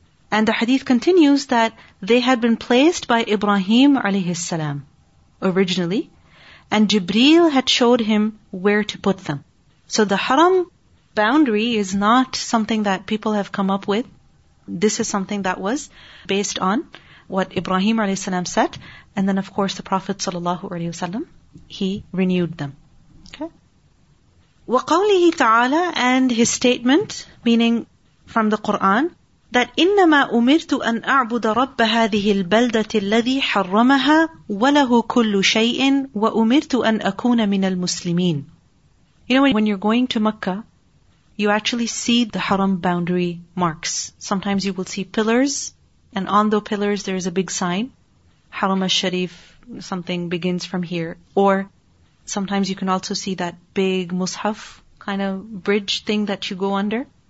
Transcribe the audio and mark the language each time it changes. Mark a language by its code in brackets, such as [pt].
[en] And the hadith continues that they had been placed by Ibrahim alayhi salam originally, and Jibreel had showed him where to put them. So the Haram boundary is not something that people have come up with. This is something that was based on what Ibrahim alayhi salam said. And then, of course, the Prophet sallallahu alayhi wa sallam, he renewed them. [ar] وقوله تعالى, [en] and his statement, meaning from the Quran, that [ar] إنما أمرت أن أعبد رب هذه البلدة الذي حرمها وله كل شيء وأمرت أن أكون من المسلمين. [en] You know, when you're going to Mecca, you actually see the haram boundary marks. Sometimes you will see pillars, and on the pillars there is a big sign, Haram al-Sharif, something begins from here. Or sometimes you can also see that big mushaf kind of bridge thing that you go under.